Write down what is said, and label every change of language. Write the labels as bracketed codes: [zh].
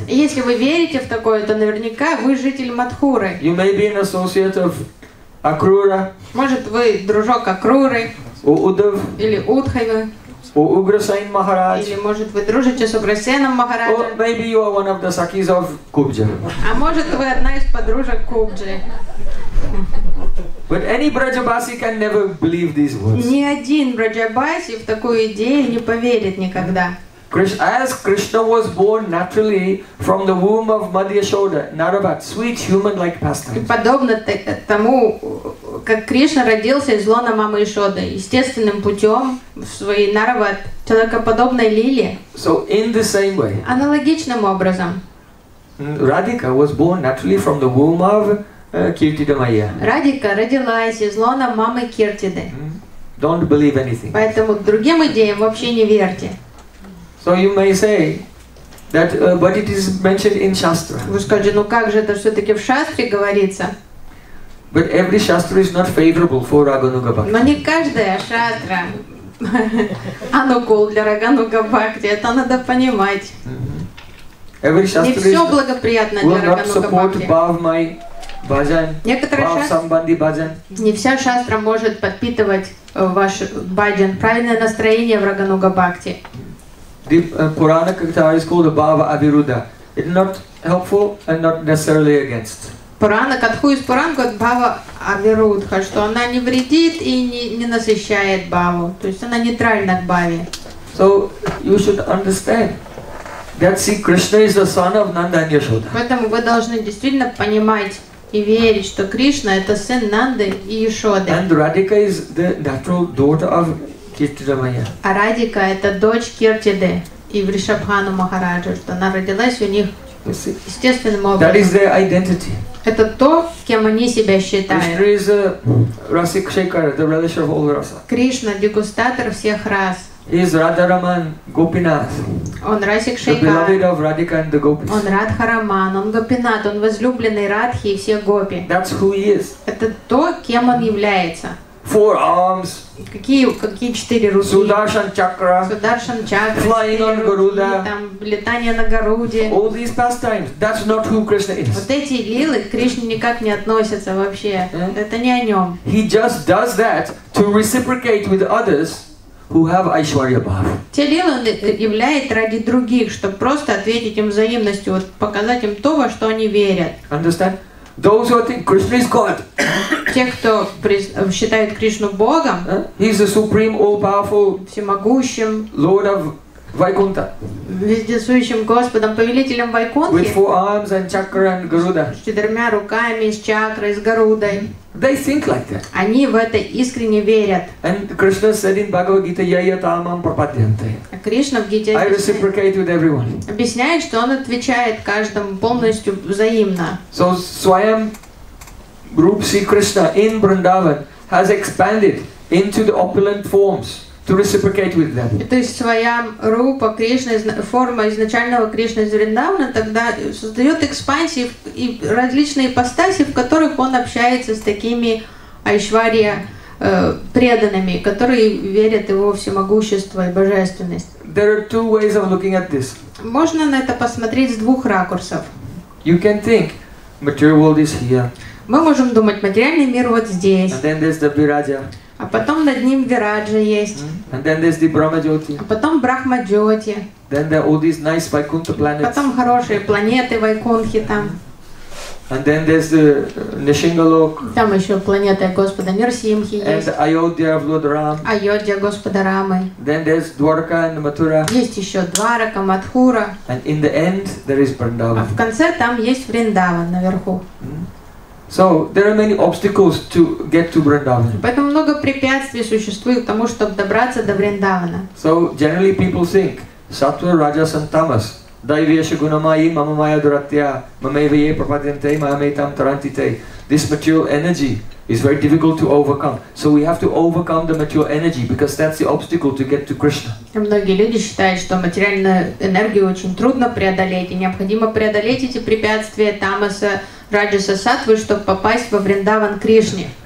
[ru] Если вы верите в такое, то наверняка вы житель Матхуры. [en] You may be an associate of Акрура. [ru] Может, вы дружок Акруры. [en] Удав. [ru] Или Удхавы. [en] Уграсайн Махарадж. [ru] Или может вы дружите с Уграсайном Махараджем. [en] Or maybe you are one of the Sakis of Кубджи. [ru] А может вы одна из подружек Кубджи. [en] But any Brajabasi can never believe these words. [ru] Ни один Брajabasi в такую идею не поверит никогда. [en] As Krishna was born naturally from the womb of Madhya Yashoda, Narabat, sweet human-like pastimes. [ru] Подобно тому, как Кришна родился из лона мамы Ишоды, естественным путем в своей Нарабат, человекоподобной лиле. [en] So in the same way. [ru] Аналогичным образом. [en] Radhika was born naturally from the womb of Kirtidamaya. [ru] Radhika родилась из лона мамы Киртиды. [en] Don't believe anything. [ru] Поэтому другим идеям вообще не верьте. [en] So you may say that, but it is mentioned in Shastra. [ru] Вы скажете, ну как же это все-таки в Шастре говорится? [en] But every Shastra is not favorable for Рагануга Бхакти. [ru] Но не каждая Шастра анукул для Рагануга Бхакти. Это надо понимать. [en] Mm-hmm. Every Shastra [ru] не все благоприятно для Рагануга Бхакти. [en] Will not support Бхавмай Бхаджан, Бхавсамбанди Бхаджан. [ru] Не вся Шастра может подпитывать ваш Бхаджан, правильное настроение в Рагануга Бхакти. [en] The Purana Katha is called Bhava Aviruddha. It is not helpful and not necessarily against. Purana Katha is Purana Katha Bhava Aviruddha, [ru] что она не вредит и не насыщает Бхаву. То есть она нейтральна к Бхаве. [en] So you should understand that see Krishna is the son of Nanda and Yashoda. [ru] Поэтому вы должны действительно понимать и верить, что Кришна это сын Нанды и Ишоды. [en] And Radhika is the natural daughter of [ru] А Радика – это дочь Киртиды и Вришабхану Махараджа, что она родилась у них естественным образом. [en] That is their identity. [ru] Это то, кем они себя считают. [en] Krishna is a Rasikshekara, the relisher of all rasa. [ru] Кришна – дегустатор всех рас. [en] He is Radharaman Gopinath. [ru] Он Расикшейкара. [en] The beloved of Radhika and the Gopis. [ru] Он Радхараман, он Гопинат, он возлюбленный Радхи и всех Гопи. [en] That's who he is. [ru] Это то, кем он является. [en] Four arms. [ru] Какие четыре руки? [en] Sudarshan chakra. [ru] Sudarshan chakra. [en] Flying on Garuda. [ru] Там летание на Гаруде. [en] All these pastimes. That's not who Krishna is. [ru] Вот эти лилы к Кришне никак не относятся вообще. Это не о нем. [en] He just does that to reciprocate with others who have Aishwarya Bhav. [ru] Те лилы он являет ради других, чтобы просто ответить им взаимностью, вот показать им то, во что они верят. [en] Understand? Those who think Krishna is God. [ru] Те, кто считает Кришну Богом. [en] He is the supreme, all-powerful. [ru] Всемогущим. [en] Lord of Vaikuntha. [ru] Вездесущим Господом, повелителем Вайкунтхи. [en] With four arms and chakra and Garuda. [ru] С четырьмя руками, с чакрой, с Гарудой. [en] They think like that. [ru] Они в это искренне верят. [en] And Krishna said in Bhagavad Gita, Yayatamam Prapadyante. [ru] Кришна в Гите. [en] I reciprocate with everyone. [ru] Объясняет, что он отвечает каждому полностью взаимно. [en] So Swayam Rup Sri Krishna in Vrindavan has expanded into the opulent forms to reciprocate with them. [ru] То есть Swayam Rupa Krishna, форма изначального Кришны из Вриндавана, тогда создает экспансии и различные ипостаси, в которых он общается с такими Айшварья преданными, которые верят его всемогущество и божественность. [en] There are two ways of looking at this. [ru] Можно на это посмотреть с двух ракурсов. [en] You can think material world is here. [ru] Мы можем думать, материальный мир вот здесь. [en] And then there's the Virajya. [ru] А потом над ним Вираджа есть. [en] Mm-hmm. And then there's the Brahma-jyoti. [ru] А потом Брахма-джоти. [en] Then there are all these nice Vaikuntha planets. [ru] Потом хорошие планеты Вайкунтхи там. [en] And then there's the Нишингалок. [ru] Там еще планета Господа Нарсимхи есть. [en] And Ayodhya of Lord Ram. [ru] Айодья Господа Рамы. [en] Then there's Dwarka and Mathura. [ru] Есть еще Дварака, Матхура. [en] And in the end there is Vrindavan. [ru] А в конце там есть Вриндаван наверху. [en] So there are many obstacles to get to Vrindavan. [ru] Поэтому много препятствий существует тому, чтобы добраться до Вриндавана. [en] So generally people think Sattva, Rajas and Tamas. [sa] Daivyesha gunamayi mama maya duratya mamevaye prapadyante mayametam tarantite. [en] This material energy is very difficult to overcome. So we have to overcome the material energy because that's the obstacle to get to Krishna. [ru] Многие люди считают, что материальную энергию очень трудно преодолеть, и необходимо преодолеть эти препятствия тамаса, раджаса, сатвы, чтобы попасть во Вриндаван Кришне.